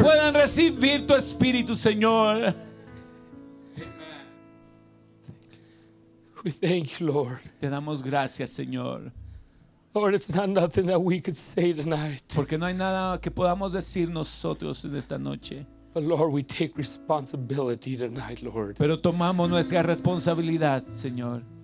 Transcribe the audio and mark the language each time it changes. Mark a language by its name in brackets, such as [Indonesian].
[Spanish] Que puedan recibir tu espíritu, Señor. [English] Amen. We thank you, Lord. [Spanish] Te damos gracias, Señor. [English] Lord, it's not nothing that we could say tonight. [Spanish] Porque no hay nada que podamos decir nosotros en esta noche. [English] But Lord, we take responsibility tonight, Lord. [Spanish] Pero tomamos nuestra responsabilidad, Señor.